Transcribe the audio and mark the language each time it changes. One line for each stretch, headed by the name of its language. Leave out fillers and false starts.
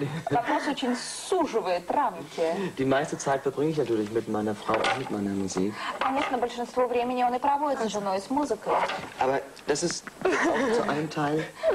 Russian: Вопрос очень суживает рамки.
German: Die meiste Zeit verbringe ich natürlich mit meiner Frau und mit meiner Musik.
Russian: Конечно, большинство времени он и проводит с женой, с музыкой.
German: Aber das ist zu einem Teil.